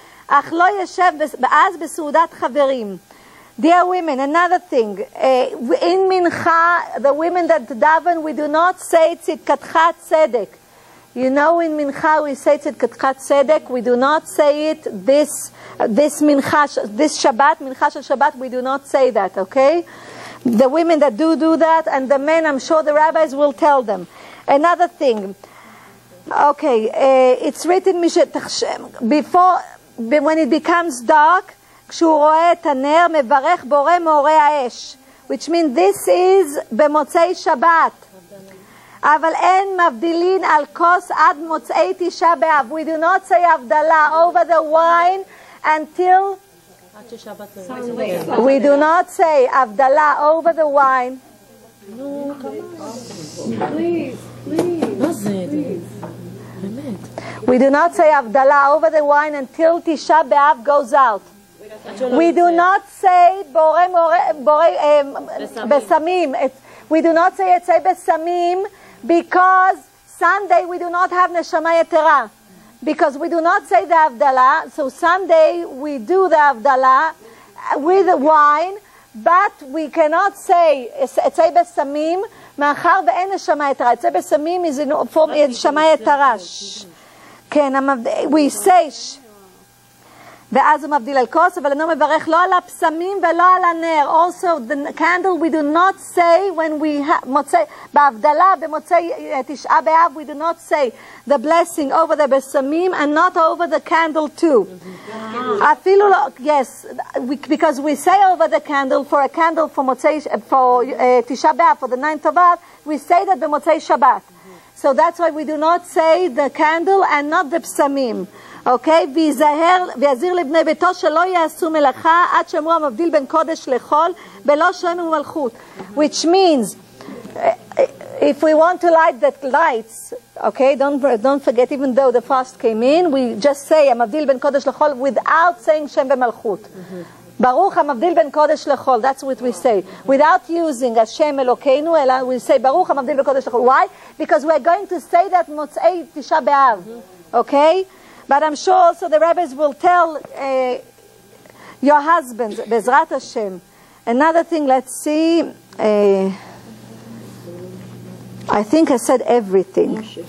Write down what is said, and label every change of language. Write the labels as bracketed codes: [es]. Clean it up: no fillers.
[he] אך לא יושב אז בסעודת חברים. [en] Dear women, another thing. In Mincha, the women that daven, we do not say Tzidkatcha Tzedek. You know, in Mincha we say Tzidkatcha Tzedek. We do not say it this Mincha, this Shabbat, Mincha Shel Shabbat, we do not say that, okay? The women that do that, and the men, I'm sure the rabbis will tell them. Another thing. Okay, it's written before, when it becomes dark, [he] כשהוא רואה את הנר, מברך בורא מאורי האש. [en] Which means this is במוצאי שבת. [he] אבל אין מבדילין על כוס עד מוצאי תשעה באב. [en] We do not say הבדלה over the wine until... We do not say הבדלה over the wine. We do not say הבדלה over the wine until תשעה באב goes out. We do not say bore bore besamim. We do not say it's a besamim because Sunday we do not have neshama yetera. Because we do not say the avdala, so Sunday we do the avdala with the wine, but we cannot say it's a besamim. [he] Ma'achar ve'en neshama yetera. [en] It's a besamim is in form of neshama yetera. We say. [he] ואז הוא מבדיל על כוס, אבל אינו מברך לא על הפסמים ולא על הנר. [en] Also, the candle we do not say when we מוצא, [he] בהבדלה, במוצאי תשעה באב, [en] we do not say the blessing over the בסמים and not over the candle too. [he] אפילו לא, [en] yes, because we say over the candle for a candle for מוצאי, for תשעה באב, for the ninth of אב, we say that במוצאי שבת. So that's why we do not say the candle and not the בסמים. [he] אוקיי? ויזהר, ויזהיר לבני ביתו שלא יעשו מלאכה עד שמרו המבדיל בין קודש לחול בלא שם ומלכות. [en] Which means, if we want to light the lights, okay, don't forget, even though the fast came in, we just say [he] המבדיל בין קודש לחול without saying שם ומלכות. ברוך המבדיל בין קודש לחול, [en] that's what we say. Without using [he] השם אלוקינו, אלא [en] we say ברוך המבדיל בין קודש לחול. Why? Because we're going to say that [he] מוצאי תשעה באב, אוקיי? [en] But I'm sure also the rabbis will tell your husbands, Bezrat Hashem. Another thing, let's see. I think I said everything.